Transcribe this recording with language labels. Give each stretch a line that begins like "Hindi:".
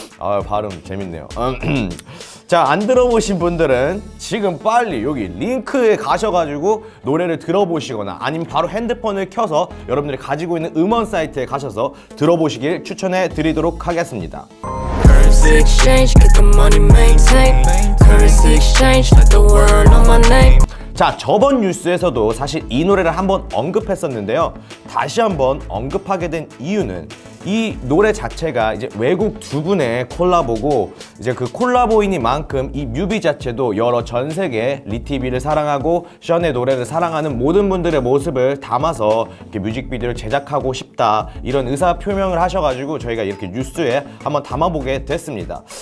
Korean: 아, 발음 재밌네요. 자, 안 들어보신 분들은 지금 빨리 여기 링크에 가셔가지고 노래를 들어보시거나 아니면 바로 핸드폰을 켜서 여러분들이 가지고 있는 음원 사이트에 가셔서 들어보시길 추천해 드리도록 하겠습니다.
English: Currency Exchange, get the money maintain. Currency Exchange, let the world know my name.
Korean: 자, 저번 뉴스에서도 사실 이 노래를 한번 언급했었는데요. 다시 한번 언급하게 된 이유는 이 노래 자체가 이제 외국 두 분의 콜라보고 이제 그 콜라보이니만큼 이 뮤비 자체도 여러 전 세계 리티비를 사랑하고 션의 노래를 사랑하는 모든 분들의 모습을 담아서 이렇게 뮤직비디오를 제작하고 싶다 이런 의사 표명을 하셔가지고 저희가 이렇게 뉴스에 한번 담아보게 됐습니다.